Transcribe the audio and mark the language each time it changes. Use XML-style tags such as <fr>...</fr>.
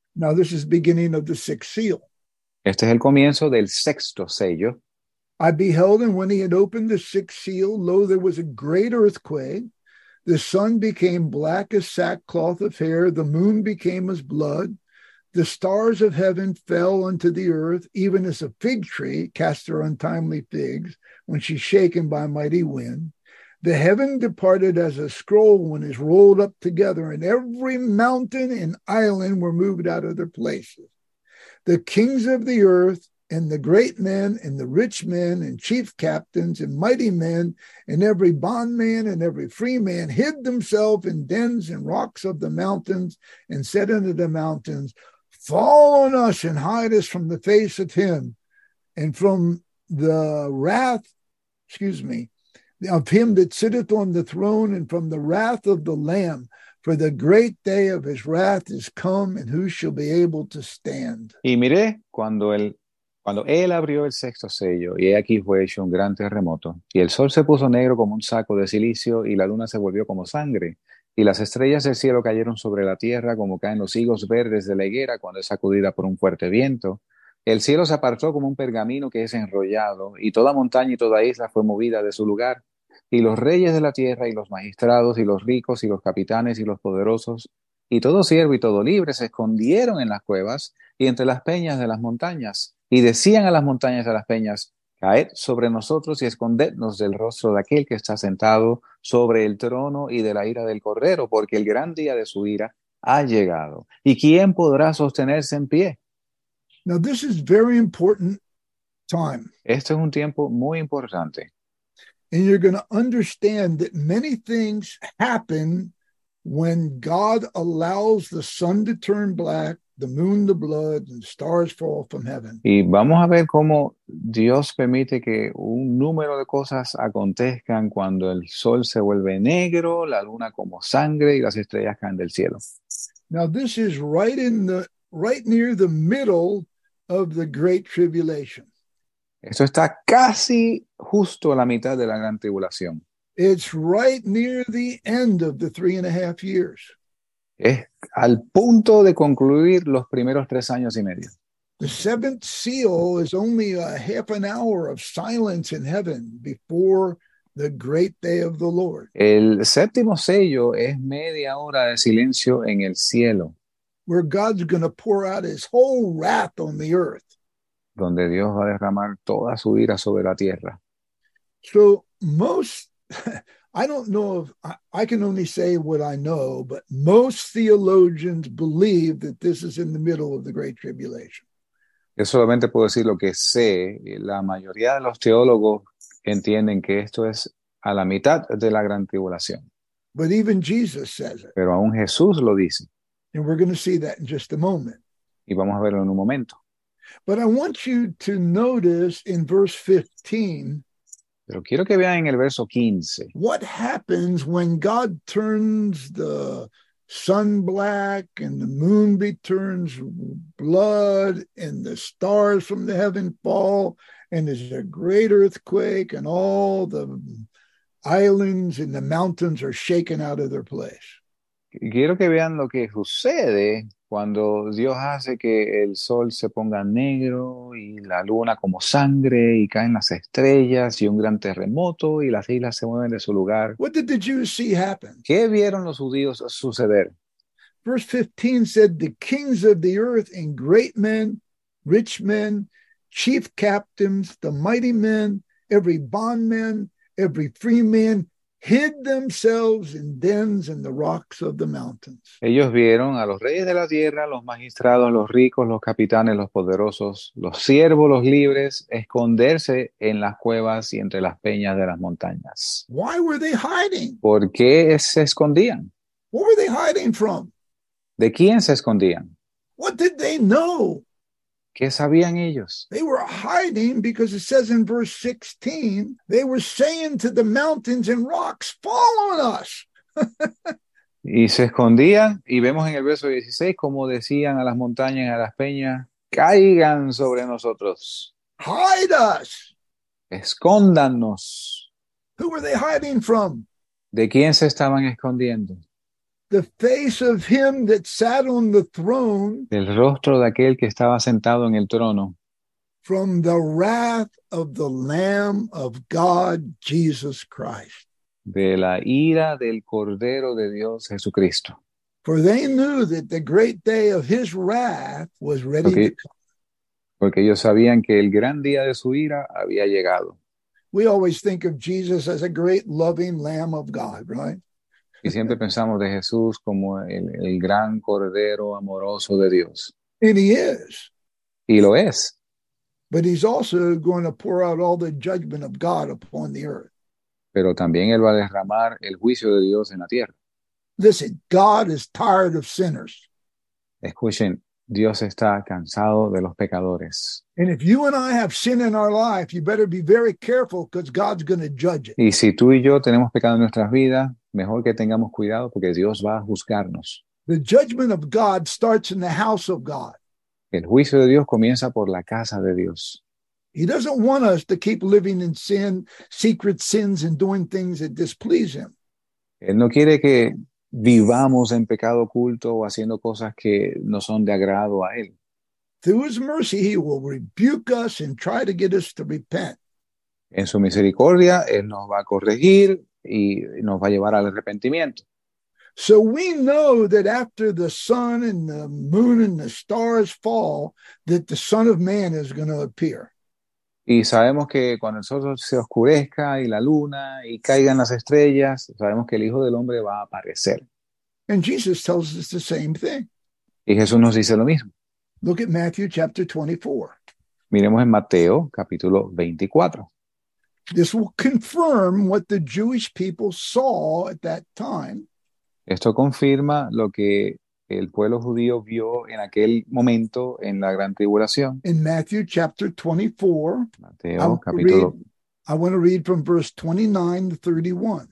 <en>Now, this is the beginning of the sixth seal.</en> <es>Este es el comienzo del sexto sello.</es> <en>I beheld, and when he had opened the sixth seal, lo, there was a great earthquake. The sun became black as sackcloth of hair. The moon became as blood. The stars of heaven fell unto the earth, even as a fig tree casts her untimely figs when she's shaken by mighty wind. The heaven departed as a scroll when it's rolled up together, and every mountain and island were moved out of their places. The kings of the earth and the great men and the rich men and chief captains and mighty men and every bondman and every free man hid themselves in dens and rocks of the mountains and said unto the mountains, fall on us and hide us from the face of him and from the wrath, of him that sitteth on the throne and from the wrath of the Lamb, for the great day of his wrath is come, and who shall be able to stand?</en> <es>Y miré cuando él abrió el sexto sello, y he aquí fue hecho un gran terremoto, y el sol se puso negro como un saco de silicio, y la luna se volvió como sangre, y las estrellas del cielo cayeron sobre la tierra como caen los higos verdes de la higuera cuando es sacudida por un fuerte viento. El cielo se apartó como un pergamino que es enrollado, y toda montaña y toda isla fue movida de su lugar. Y los reyes de la tierra, y los magistrados, y los ricos, y los capitanes, y los poderosos, y todo siervo y todo libre se escondieron en las cuevas y entre las peñas de las montañas. Y decían a las montañas y a las peñas, caed sobre nosotros y escondednos del rostro de aquel que está sentado sobre el trono y de la ira del Cordero, porque el gran día de su ira ha llegado. ¿Y quién podrá sostenerse en pie?</es> <en>Now, this is very important time.</en> <es>Este es un tiempo muy importante.</es> <en>And you're going to understand that many things happen when God allows the sun to turn black, the moon to blood, and stars fall from heaven.</en> <es>Y vamos a ver cómo Dios permite que un número de cosas acontezcan cuando el sol se vuelve negro, la luna como sangre, y las estrellas caen del cielo.</es> <en>Now, this is right near the middle of the great tribulation.</en> <es>Esto está casi justo a la mitad de la gran tribulación.</es> <en>It's right near the end of the 3.5 years.</en> <es>Es al punto de concluir los primeros 3 años y medio.</es> <en>The seventh seal is only a half an hour of silence in heaven before the great day of the Lord.</en> <es>El séptimo sello es media hora de silencio en el cielo,</es> <en>where God's going to pour out his whole wrath on the earth.</en> <es>Donde Dios va a derramar toda su ira sobre la tierra.</es> <en>So most, I can only say what I know, but most theologians believe that this is in the middle of the Great Tribulation.</en> <es>Yo solamente puedo decir lo que sé. La mayoría de los teólogos entienden que esto es a la mitad de la Gran Tribulación.</es> <en>But even Jesus says it.</en> <es>Pero aún Jesús lo dice.</es> <en>And we're going to see that in just a moment.</en> <es>Y vamos a verlo en un momento.</es> <en>But I want you to notice in verse 15.</en> <es>Pero quiero que vean en el verso 15.</es> <en>What happens when God turns the sun black and the moon turns blood and the stars from the heaven fall and there's a great earthquake and all the islands and the mountains are shaken out of their place.</en> <es>Quiero que vean lo que sucede cuando Dios hace que el sol se ponga negro y la luna como sangre y caen las estrellas y un gran terremoto y las islas se mueven de su lugar.</es> <en>What did the Jews see happen?</en> <es>¿Qué vieron los judíos suceder?</es> <en>Verse 15 said, the kings of the earth and great men, rich men, chief captains, the mighty men, every bondman, every free man, hid themselves in dens in the rocks of the mountains.</en> <es>Ellos vieron a los reyes de la tierra, los magistrados, los ricos, los capitanes, los poderosos, los siervos, los libres, esconderse en las cuevas y entre las peñas de las montañas.</es> <en>Why were they hiding?</en> <es>¿Por qué se escondían?</es> <en>What were they hiding from?</en> <es>¿De quién se escondían?</es> <en>What did they know?</en> <es>¿Qué sabían ellos?</es> <en>They were hiding because it says in verse 16, they were saying to the mountains and rocks, fall on us.</en> <es>Y se escondían, y vemos en el verso 16 como decían a las montañas y a las peñas, caigan sobre nosotros.</es> <en>Hide us.</en> <es>Escóndanos.</es> <en>Who were they hiding from?</en> <es>¿De quién se estaban escondiendo?</es> <en>The face of him that sat on the throne.</en> <es>El rostro de aquel que estaba sentado en el trono.</es> <en>from the wrath of the Lamb of God, Jesus Christ.</en> <es>De la ira del Cordero de Dios, Jesucristo.</es> <en>For they knew that the great day of his wrath was ready to come.</en> <es>Porque ellos sabían que el gran día de su ira había llegado.</es> <en>We always think of Jesus as a great loving Lamb of God, right?</en> <es>Y siempre pensamos de Jesús como el gran Cordero amoroso de Dios.</es> <en>And he is.</en> <es>Y lo es.</es> <en>But he's also going to pour out all the judgment of God upon the earth.</en> <es>Pero también él va a derramar el juicio de Dios en la tierra.</es> <en>Listen, God is tired of sinners.</en> <es>Escuchen, Dios está cansado de los pecadores.</es> <en>And if you and I have sin in our life, you better be very careful because God's going to judge it.</en> <es>Y si tú y yo tenemos pecado en nuestras vidas, mejor que tengamos cuidado porque Dios va a juzgarnos.</es> <en>The judgment of God starts in the house of God.</en> <es>El juicio de Dios comienza por la casa de Dios.</es> <en>He doesn't want us to keep living in sin, secret sins, and doing things that displease him.</en> <es>Él no quiere que vivamos en pecado oculto o haciendo cosas que no son de agrado a él.</es> <en>Through his mercy, he will rebuke us and try to get us to repent.</en> <es>En su misericordia, él nos va a corregir y nos va a llevar al arrepentimiento.</es> <en>So we know that after the sun and the moon and the stars fall, that the Son of Man is going to appear.</en> <es>Y sabemos que cuando el sol se oscurezca y la luna y caigan las estrellas, sabemos que el Hijo del Hombre va a aparecer.</es> <en>And Jesus tells us the same thing.</en> <es>Y Jesús nos dice lo mismo.</es> <en>Look at Matthew chapter 24.</en> <es>Miremos en Mateo capítulo 24.</es> <en>This will confirm what the Jewish people saw at that time.</en> <es>Esto confirma lo que el pueblo judío vio en aquel momento en la gran tribulación.</es> <en>In Matthew chapter 24,</en> <es>Mateo capítulo,</es> <en>I want to read from verse 29 to 31.</en>